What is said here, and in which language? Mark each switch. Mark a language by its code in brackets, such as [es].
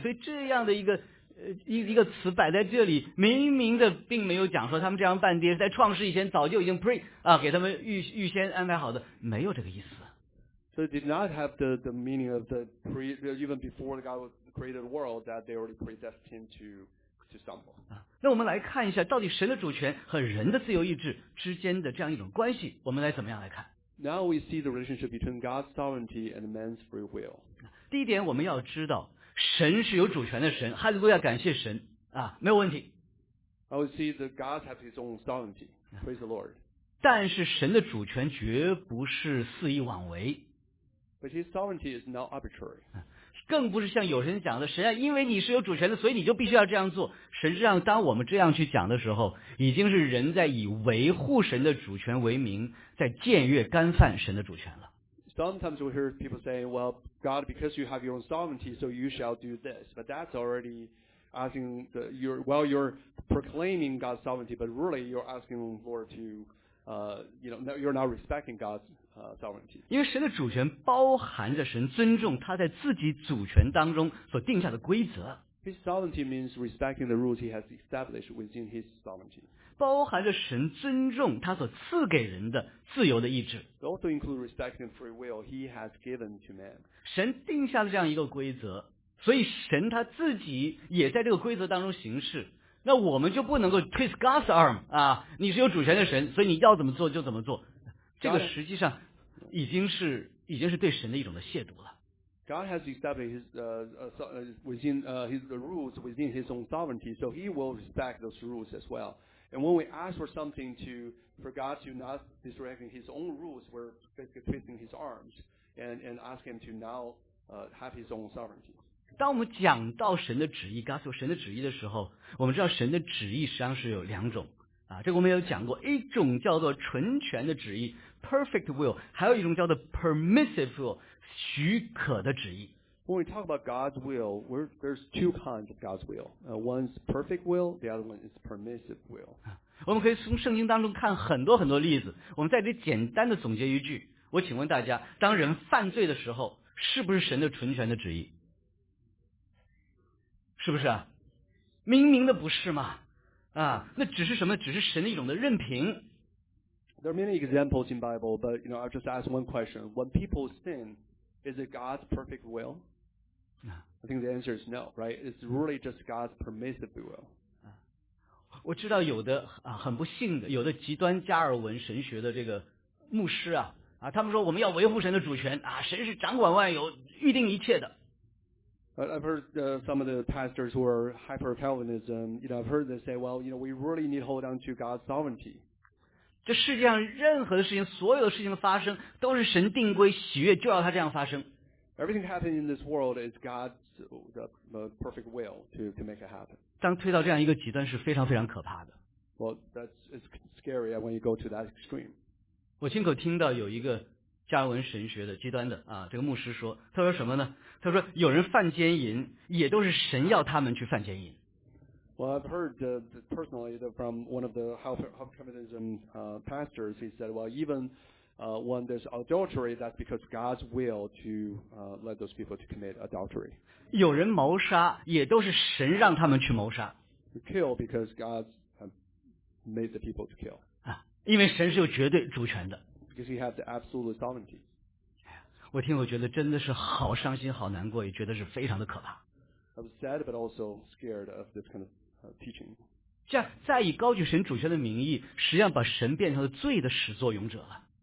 [zh] 所以这样的一个词摆在这里，明明的并没有讲说他们这样半跌在创世以前早就已经 pre 啊，给他们预先安排好的，没有这个意思。 [en] So it did not have the meaning of the pre even before God created the world that they already predestined to stumble. [zh] 啊，那我们来看一下到底神的主权和人的自由意志之间的这样一种关系，我们来怎么样来看 [en] ？Now we see the relationship between God's sovereignty and man's free will. [zh] 第一点，我们要知道神是有主权的神，哈利路亚，感谢神啊，没有问题。 [en] I will see that God has His own sovereignty. Praise the Lord. [zh] 但是神的主权绝不是肆意妄为。 [en] But His sovereignty is not arbitrary. [zh] 更不是像有人讲的，神啊，因为你是有主权的，所以你就必须要这样做。神这样，当我们这样去讲的时候，已经是人在以维护神的主权为名，在僭越干犯神的主权了。 [en] Sometimes we hear people saying, well, God, because you have your own sovereignty, so you shall do this. But that's already asking, you're proclaiming God's sovereignty, but really you're asking the Lord to, you know, you're not respecting God's sovereignty. [zh] 因为神的主权包含着神尊重他在自己主权当中所定下的规则。 [en] His sovereignty means respecting the rules he has established within his sovereignty. [zh] 包含着神尊重他所赐给人的自由的意志。 [en] It also includes respect and free will he has given to man. [zh] 神定下了这样一个规则，所以神他自己也在这个规则当中行事。那我们就不能够 [en] twist God's arm [zh] 啊，你是有主权的神，所以你要怎么做就怎么做。这个实际上已经是对神的一种的亵渎了。 [en] God has established his, within, his rules within his own sovereignty, so he will respect those rules as well. And when we ask for something to, for God to not disrespect his own rules, we're basically twisting his arms and ask him to now, have his own sovereignty. [zh] 当我们讲到神的旨意 ,God's 神的旨意的时候，我们知道神的旨意实际上是有两种。啊，这个我们有讲过，一种叫做纯权的旨意 , [en] perfect will, [zh] 还有一种叫做 [en] permissive will, [zh] 许可的旨意。 [en] When we talk about God's will, there's two kinds of God's will. One's perfect will, the other one is permissive will. [zh] 我们可以从圣经当中看很多很多例子。我们在这里简单的总结一句，我请问大家，当人犯罪的时候，是不是神的纯权的旨意？是不是啊？明明的不是嘛，啊，那只是什么？只是神的一种的任凭。 [en] There are many examples in Bible, but you know, I just ask one question: when people sin, is it God's perfect will? I think the answer is no, right? It's really just God's permissive will. [zh] 我知道有的啊，很不幸的，有的极端加尔文神学的这个牧师啊。啊，他们说我们要维护神的主权啊，神是掌管万有、预定一切的。 [en] I've heard some of the pastors who are hyper Calvinism, you know, I've heard them say, well, you know, we really need to hold on to God's sovereignty. [zh] 这世界上任何的事情，所有的事情的发生，都是神定规、喜悦，就要它这样发生。 [en] Everything happening in this world is God's perfect will to make it happen. [zh] 当推到这样一个极端是非常非常可怕的。 [en] Well, it's scary when you go to that extreme. [zh] 我亲口听到有一个加尔文神学的极端的啊，这个牧师说，他说什么呢？他说有人犯奸淫，也都是神要他们去犯奸淫。 [en] Well, I've heard personally from one of the Calvinism pastors. He said, well, even when there's adultery, that's because God's will to let those people to commit adultery. [zh] 有人谋杀，也都是神让他们去谋杀。 [en] To kill because God made the people to kill. [zh] 因为神是有绝对主权的。 [en] Because he has the absolute sovereignty. [zh] 我听我觉得真的是好伤心好难过，也觉得是非常的可怕。 [en] I was sad but also scared of this kind of teaching. [zh] 这样再以高举神主权的名义，实际上把神变成了罪的始作俑者了。